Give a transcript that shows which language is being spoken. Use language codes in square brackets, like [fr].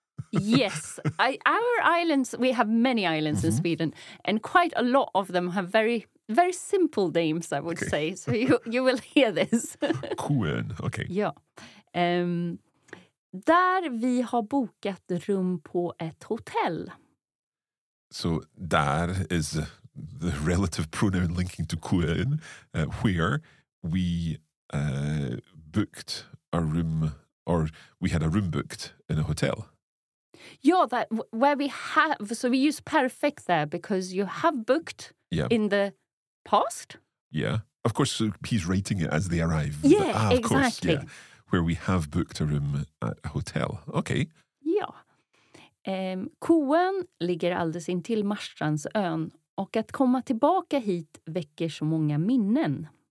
[en] Yes, our islands, we have many islands in Sweden, and quite a lot of them have very, very simple names, I would say. So you will hear this. Koön, okay. [sv] Ja. Där vi har bokat rum på ett hotell. [en] So där is the relative pronoun linking to Koön, where we booked a room, or we had a room booked in a hotel. Yeah, that where we have, so we use perfect there because you have booked in the past. Yeah, of course, so he's writing it as they arrive. Yeah, exactly. Course, Where we have booked a room at a hotel. Okay. Yeah. [sv] Koön ligger alldeles intill Marstrandsön och att komma tillbaka hit väcker så många minnen.